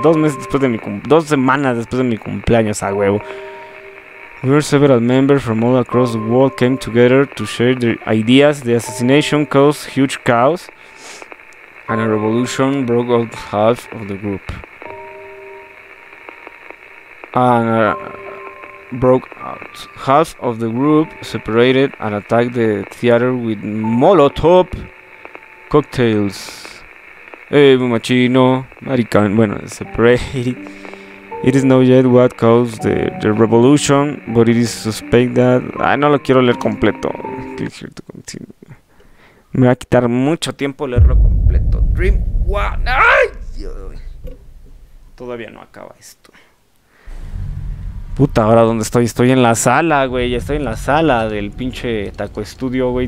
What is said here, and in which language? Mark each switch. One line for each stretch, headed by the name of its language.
Spanish: Dos semanas después de mi cumpleaños, a huevo.
English: We were several members from all across the world came together to share their ideas. The assassination caused huge chaos. And a revolution broke out half of the group. Half of the group separated and attacked the theater with Molotov cocktails.
Spanish: Hey, machino, maricán. Bueno, separated.
English: It is known yet what caused the revolution, but it is suspected that...
Spanish: Ay, no lo quiero leer completo.
English: Click here to continue.
Spanish: Me va a quitar mucho tiempo leerlo completo. Dream One. ¡Ay! Todavía no acaba esto. Puta, ¿ahora dónde estoy? Estoy en la sala, güey. Ya estoy en la sala del pinche Taco Estudio, güey.